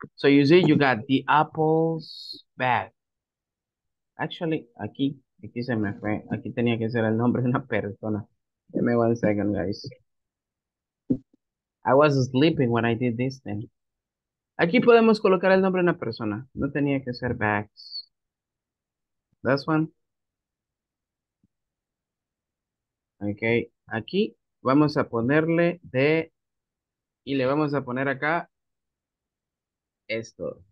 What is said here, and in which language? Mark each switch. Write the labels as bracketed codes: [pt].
[en] So you see, you got the apple's bag. [es] Actually, aquí se me fue. Aquí tenía que ser el nombre de una persona. [en] Give me one second, guys. I was sleeping when I did this thing. [es] Aquí podemos colocar el nombre de una persona. No tenía que ser bags. [en] This one. [es] Okay. Aquí vamos a ponerle de. Y le vamos a poner acá. Esto.